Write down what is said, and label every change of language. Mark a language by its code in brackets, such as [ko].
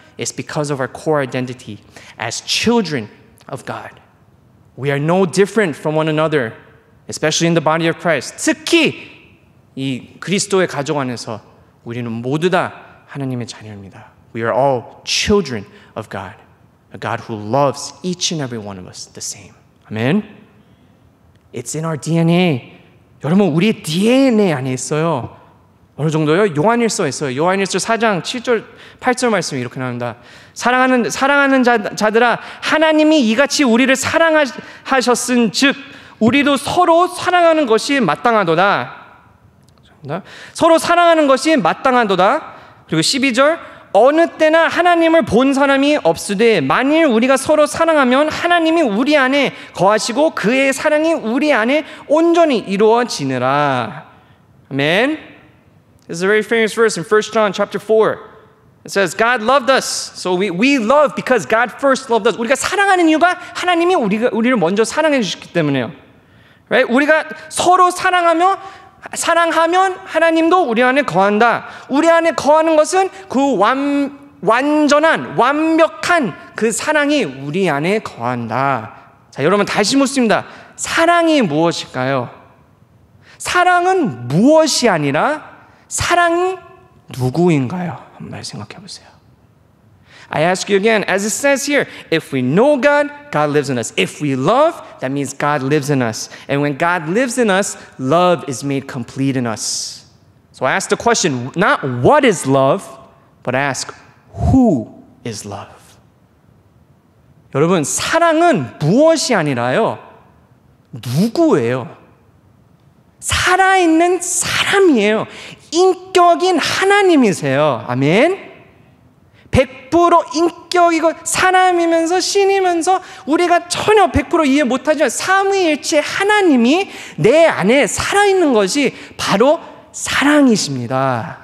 [en] It's because of our core identity as children of God. We are no different from one another, especially in the body of Christ. [ko] 특히 이 그리스도의 가족 안에서 우리는 모두 다 하나님의 자녀입니다. [en] We are all children of God, a God who loves each and every one of us the same. Amen? It's in our DNA. [ko] 여러분, 우리의 DNA 안에 있어요. 어느 정도요? 요한일서에서요. 요한일서 4장 7절 8절 말씀이 이렇게 나옵니다. 사랑하는 자들아 하나님이 이같이 우리를 사랑하셨은 즉 우리도 서로 사랑하는 것이 마땅하도다. 서로 사랑하는 것이 마땅하도다. 그리고 12절 어느 때나 하나님을 본 사람이 없으되 만일 우리가 서로 사랑하면 하나님이 우리 안에 거하시고 그의 사랑이 우리 안에 온전히 이루어지느라. 아멘. [en] This is a very famous verse in 1 John chapter 4. It says, God loved us, so we love because God first loved us. [ko] 우리가 사랑하는 이유가 하나님이 우리를 먼저 사랑해 주셨기 때문이에요. [en] Right? [ko] 우리가 서로 사랑하면 하나님도 우리 안에 거한다. 우리 안에 거하는 것은 그 완전한, 완벽한 그 사랑이 우리 안에 거한다. 자, 여러분 다시 묻습니다. 사랑이 무엇일까요? 사랑은 무엇이 아니라 사랑이 누구인가요? 한번 생각해 보세요. [en] I ask you again, as it says here, if we know God, God lives in us. If we love, that means God lives in us. And when God lives in us, love is made complete in us. So I ask the question, not what is love, but I ask, who is love? [ko] 여러분, 사랑은 무엇이 아니라요, 누구예요? 살아있는 사람이에요. 인격인 하나님이세요. 아멘. 100% 인격이고 사람이면서 신이면서 우리가 전혀 100% 이해 못하지만 삼위일체 하나님이 내 안에 살아있는 것이 바로 사랑이십니다.